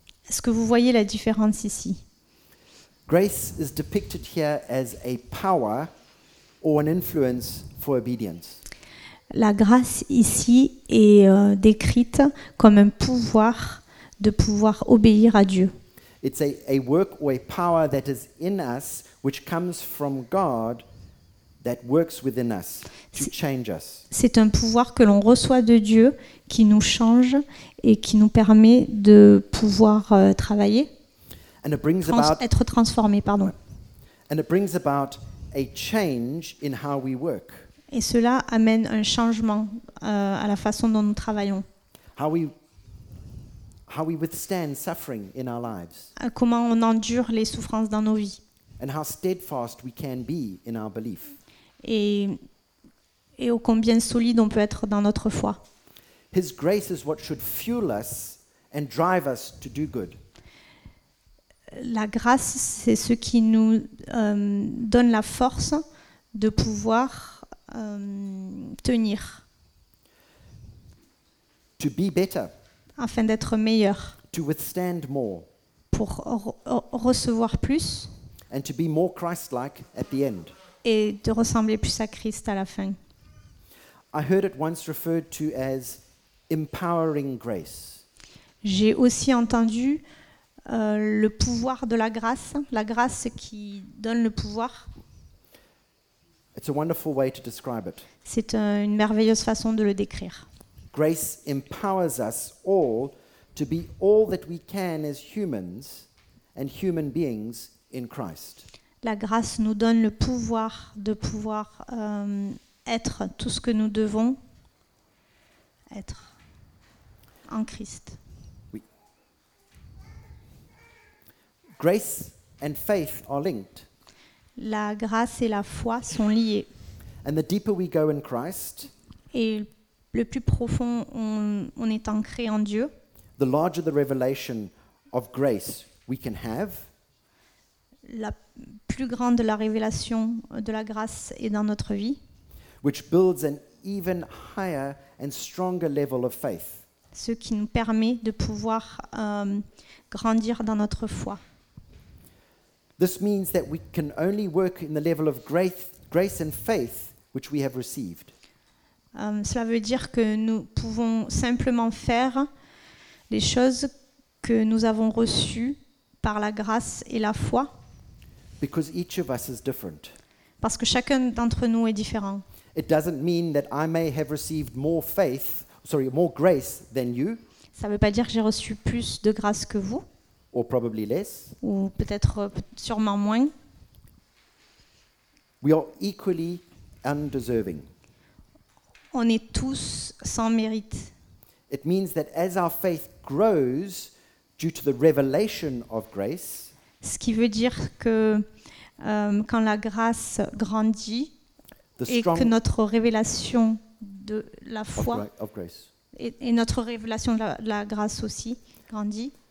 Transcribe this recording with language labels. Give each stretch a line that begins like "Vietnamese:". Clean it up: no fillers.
French: Est-ce que vous voyez la différence ici?
English: Grace is depicted here as a power or an influence for obedience.
French: La grâce ici est décrite comme un pouvoir de pouvoir obéir à Dieu.
English: It's a work or a power that is in us, which comes from God, that works within us to change us.
French: C'est un pouvoir que l'on reçoit de Dieu qui nous change et qui nous permet de pouvoir travailler.
English: And it brings about
French: être transformé, pardon.
English: And it brings about a change in how we work.
French: Et cela amène un changement à la façon dont nous travaillons.
English: How we how we withstand suffering in our lives.
French: Comment on endure les souffrances dans nos vies.
English: And how steadfast we can be in our belief.
French: Et au combien solide on peut être dans notre foi.
English: His grace is what should fuel us and drive us to do good.
French: La grâce, c'est ce qui nous donne la force de pouvoir tenir.
English: To be better.
French: Afin d'être meilleur.
English: To withstand more.
French: Pour recevoir plus.
English: And to be more Christ-like at the end.
French: Et de ressembler plus à Christ à la fin.
English: I heard it once referred to as empowering grace.
French: J'ai aussi entendu le pouvoir de la grâce qui donne le pouvoir.
English: It's a wonderful way to describe it.
French: C'est une merveilleuse façon de le décrire.
English: Grace empowers us all to be all that we can as humans and human beings in Christ.
French: La grâce nous donne le pouvoir de pouvoir être tout ce que nous devons être en Christ. Oui.
English: Grace and faith are linked.
French: La grâce et la foi sont liées.
English: And the deeper we go in Christ,
French: et le plus profond on est ancré en Dieu,
English: the larger the revelation of grace we can have.
French: La plus grande la révélation de la grâce est dans notre vie.
English: Which builds an even higher and stronger level of faith.
French: Ce qui nous permet de pouvoir grandir dans notre foi.
English: This means that we can only work in the level of grace and faith which we have received.
French: Cela veut dire que nous pouvons simplement faire les choses que nous avons reçues par la grâce et la foi.
English: Because each of us is different.
French: Parce que chacun d'entre nous est différent.
English: It doesn't mean that I may have received more faith, sorry, more grace than you.
French: Ça ne veut pas dire que j'ai reçu plus de grâce que vous.
English: Or probably less.
French: Ou peut-être sûrement moins.
English: We are equally undeserving.
French: On est tous sans mérite.
English: It means that as our faith grows due to the revelation of grace.
French: Ce qui veut dire que quand la grâce grandit et que notre révélation de la foi et notre révélation de la grâce aussi grandit,